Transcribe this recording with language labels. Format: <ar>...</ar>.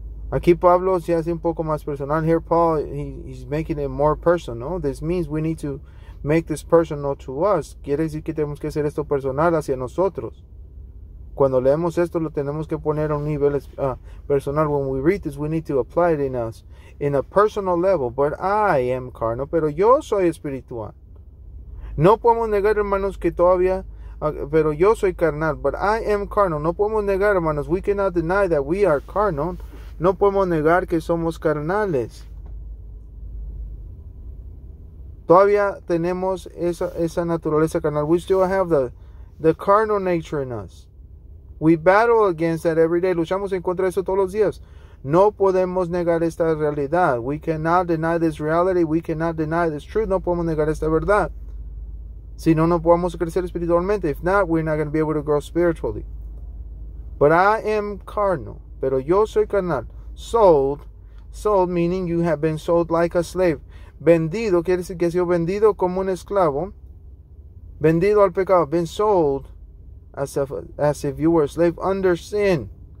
<es>Aquí Pablo se hace un poco más personal.</es> <en>Here Paul, he's making it more personal. This means we need to make this personal to us.</en> <es>Quiere decir que tenemos que hacer esto personal hacia nosotros. Cuando leemos esto, lo tenemos que poner a un nivel personal.</es> <en>When we read this, we need to apply it in us, in a personal level. But I am carnal,</en> <es>pero yo soy espiritual. No podemos negar, hermanos, que todavía, pero yo soy carnal,</es> <en>but I am carnal.</en> <es>No podemos negar, hermanos,</es> <en>we cannot deny that we are carnal.</en> <es>No podemos negar que somos carnales. Todavía tenemos esa naturaleza carnal.</es> <en>We still have the carnal nature in us. We battle against that every day.</en> <es>Luchamos en contra de eso todos los días. No podemos negar esta realidad.</es> <en>We cannot deny this reality. We cannot deny this truth.</en> <es>No podemos negar esta verdad. Si no, no podemos crecer espiritualmente.</es> <en>If not, we're not going to be able to grow spiritually. But I am carnal.</en> <es>Pero yo soy carnal.</es> <en>Sold. Sold meaning you have been sold like a slave.</en> <es>Vendido quiere decir que ha sido vendido como un esclavo. Vendido al pecado.</es> <en>Been sold as if you were a slave under sin.</en>